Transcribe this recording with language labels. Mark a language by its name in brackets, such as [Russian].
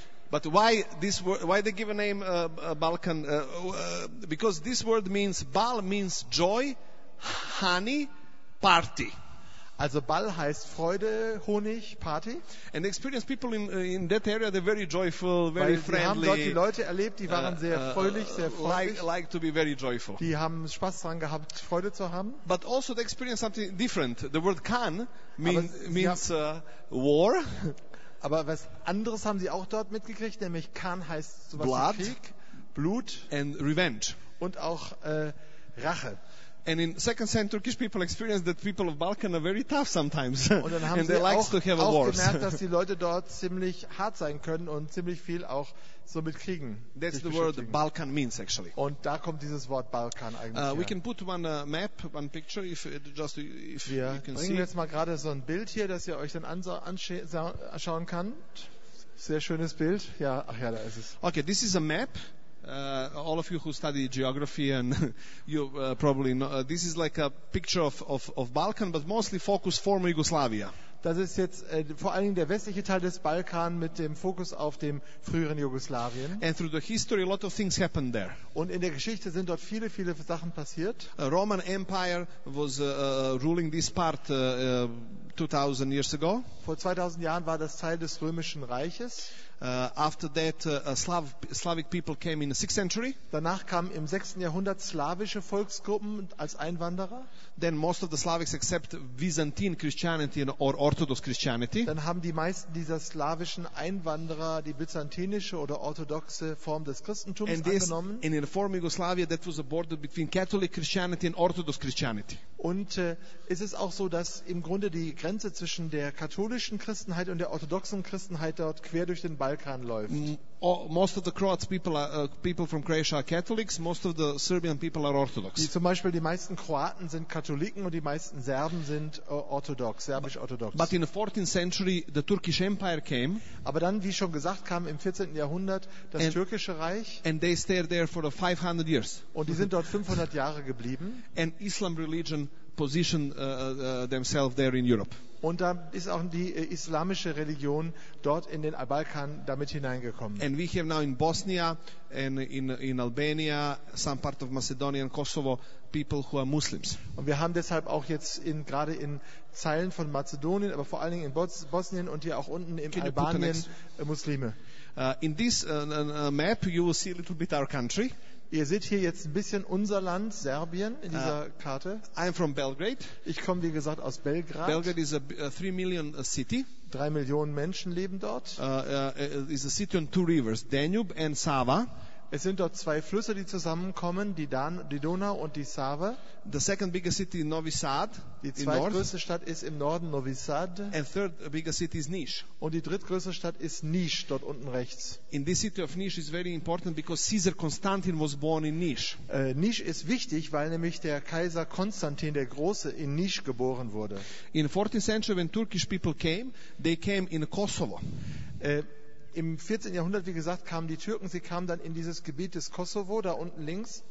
[English] But why this word, why they give a name Balkan? Because this word means, Bal means joy, honey, party. [German] Also Bal heißt Freude, Honig, Party. [English] And experienced people in that area, they're very joyful, very [German] Weil [English] friendly. [German] Weil sie haben dort die Leute erlebt, die waren sehr fröhlich, sehr freudig. [English] Like to be very joyful. [German] Die haben Spaß dran gehabt, Freude zu haben. [English] But also they experienced something different. The word Kan means war. [German] Aber was anderes haben sie auch dort mitgekriegt, nämlich Kan heißt sowas [English] Blood [German] wie Krieg, Blut [English] and revenge. [German] Und auch Rache. [English] And in second century Turkish people experienced that people of Balkan are very tough sometimes. [German] Und dann haben [English] and they [German] sie [English] likes [German] auch, [English] to have [German] auch [English] a wars. [German] Gemerkt, dass die Leute dort ziemlich hart sein können und ziemlich viel auch so mit Kriegen. [English] That's the word Balkan means actually. [German] Und da kommt dieses Wort Balkan eigentlich. [English] We can put one map, one picture if [German] wir [English] you can see. [German] Wir bringen jetzt mal gerade so ein Bild hier, das ihr euch dann anschauen kann. Sehr schönes Bild. Ja, ach ja, da ist es. [English] Okay, this is a map. All of you who study geography and you probably know, this is like a picture of Balkan, but mostly focused former Yugoslavia. [German] Das ist jetzt vor allen Dingen der westliche Teil des Balkan mit dem Fokus auf dem früheren Jugoslawien. [English] And through the history, a lot of things happened there. [German] Und in der Geschichte sind dort viele, viele Sachen passiert. [English] A Roman Empire was ruling this part 2000 years ago. [German] Vor 2000 Jahren war das Teil des Römischen Reiches. [English] After that, Slavic people came in the 6th century. [German] Danach kamen im 6. Jahrhundert slawische Volksgruppen als Einwanderer. [English] Then most of the Slavics accept Byzantine Christianity or Orthodox Christianity. [German] Dann haben die meisten dieser slawischen Einwanderer die byzantinische oder orthodoxe Form des Christentums [English] and [German] angenommen. [English] And in the former Yugoslavia, that was a border between Catholic Christianity and Orthodox Christianity. [German] Und ist es auch so, dass im Grunde die Grenze zwischen der katholischen Christenheit und der orthodoxen Christenheit dort quer durch den Balkan läuft? [English] Most of the Croats people are people from Croatia are Catholics. Most of the Serbian people are Orthodox. [German] Die, zum Beispiel die meisten Kroaten sind Katholiken und die meisten Serben sind Orthodox, Serbisch-Orthodox. [English] But in the 14th century the Turkish Empire came. [German] Aber dann, wie schon gesagt, kam im 14. Jahrhundert das Türkische Reich. [English] And they stayed there for 500 years. [German] Und die sind dort 500 Jahre geblieben. [English] And Islam religion position themselves there in Europe. [German] Und da ist auch die islamische Religion dort in den Balkan damit hineingekommen. [English] And we have now in Bosnia and in Albania, some part of Macedonia and Kosovo, people who are Muslims. [German] Und wir haben deshalb auch jetzt gerade in Zeilen von Mazedonien, aber vor allen Dingen in Bosnien und hier auch unten in Albanien Muslime. [English] In this map you will see a little bit our country. [German] Ihr seht hier jetzt ein bisschen unser Land, Serbien, in dieser Karte. [English] I'm from Belgrade. [German] Ich komme, wie gesagt, aus Belgrad. [English] Belgrade is a 3 million city. [German] 3 Millionen Menschen leben dort. [English] It's a city on 2 rivers, Danube and Sava. [German] Es sind dort 2 Flüsse, die zusammenkommen, die Donau und die Save. [English] The second biggest city is Novi Sad. [German] Die zweitgrößte Stadt ist im Norden Novi Sad. [English] And third biggest city is Niš. [German] Und die drittgrößte Stadt ist Niš, dort unten rechts. [English] In this city of Niš is very important because Caesar Constantine was born in Niš. [German] Niš ist wichtig, weil nämlich der Kaiser Konstantin der Große in Niš geboren wurde. [English] In 14th century when Turkish people came, they came in Kosovo. [German] Im 14. Jahrhundert, wie gesagt, kamen die Türken, sie kamen dann in dieses Gebiet des Kosovo, da unten links.